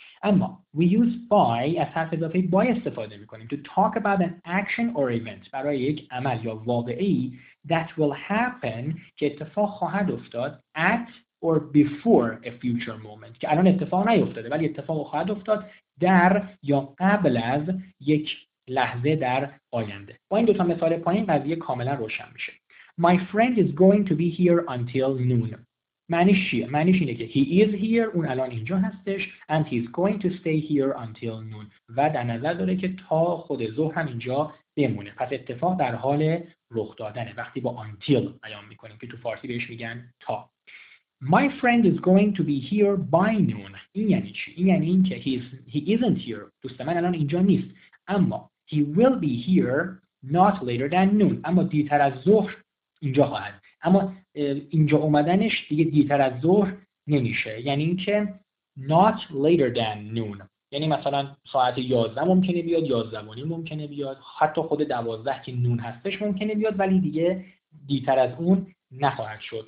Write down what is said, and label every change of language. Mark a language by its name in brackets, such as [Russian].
[Persian] اما [English] we use by، [Persian] از حرف اضافه by استفاده میکنیم [English] to talk about an action or event، [Persian] برای یک عمل یا واقعی [English] that will happen، [Persian] که اتفاق خواهد افتاد [English] at or before a future moment، [Persian] که الان اتفاق نیفتاده ولی اتفاق خواهد افتاد در یا قبل از یک لحظه در آینده. با این دوتا مثال پایین قضیه کاملا روشن میشه. [English] My friend is going to be here until noon. [Persian] معنیش چیه؟ معنیش اینه که [English] he is here، [Persian] اون الان اینجا هستش، [English] and he's going to stay here until noon. [Persian] و در نظر داره که تا خود ظهر هم اینجا بمونه. پس اتفاق در حال رخ دادنه. وقتی با until بیان میکنیم که تو فارسی بهش میگن تا. [English] My friend is going to be here by noon. [Persian] این یعنی چی؟ این یعنی این که [English] he isn't here. [Persian] دوست من الان اینجا نیست. [English] اما he will be here not later than noon. [Persian] اما دیرتر از ظهر اینجا خواهد. اما اینجا اومدنش دیگه دیرتر از ظهر نمیشه، یعنی اینکه [English] not later than noon، [Persian] یعنی مثلا ساعت 11 ممکنه بیاد، 11:30 ممکنه بیاد، حتی خود 12 که نون هستش ممکنه بیاد، ولی دیگه دیرتر از اون نخواهد شد.